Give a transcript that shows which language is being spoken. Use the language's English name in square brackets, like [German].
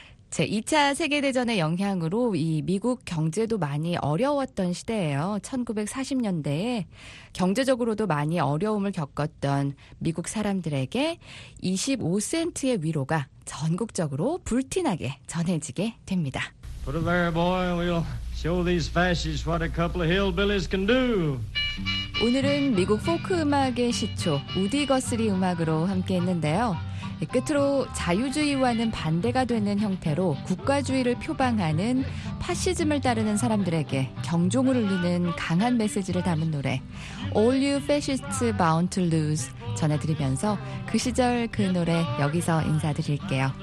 [Korean] 제 2차 세계대전의 영향으로 이 미국 경제도 많이 어려웠던 시대예요. 1940년대에 경제적으로도 많이 어려움을 겪었던 미국 사람들에게 25센트의 위로가 전국적으로 불티나게 전해지게 됩니다. [English] Put it there, boy. We'll show these fascists what a couple of hillbillies can do. [Korean] 오늘은 미국 포크 음악의 시초 우디 거스리 음악으로 함께했는데요. 끝으로 자유주의와는 반대가 되는 형태로 국가주의를 표방하는 파시즘을 따르는 사람들에게 경종을 울리는 강한 메시지를 담은 노래 All You Fascists Bound to Lose 전해드리면서 그 시절 그 노래 여기서 인사드릴게요.